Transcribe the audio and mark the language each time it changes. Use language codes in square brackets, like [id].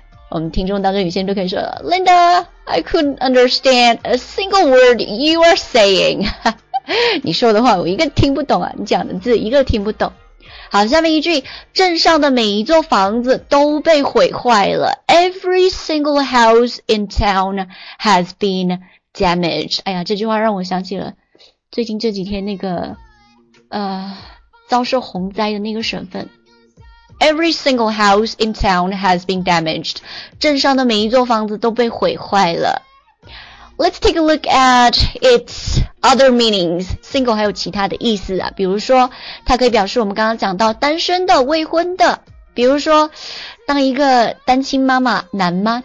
[zh] 我们听众当中有些人都可以说 [en] Linda I couldn't understand a single word you are saying [zh] 你说的话我一个听不懂啊，你讲的字一个听不懂。好，下面一句，镇上的每一座房子都被毁坏了。 [en] Every single house in town has been damaged. [zh] 哎呀，这句话让我想起了最近这几天那个遭受洪灾的那个省份。 [en] Every single house in town has been damaged. [zh] 镇上的每一座房子都被毁坏了。 [en] Let's take a look at its... other meanings, [zh] single 还有其他的意思啊，比如说它可以表示我们刚刚讲到单身的、未婚的，比如说当一个单亲妈妈难吗？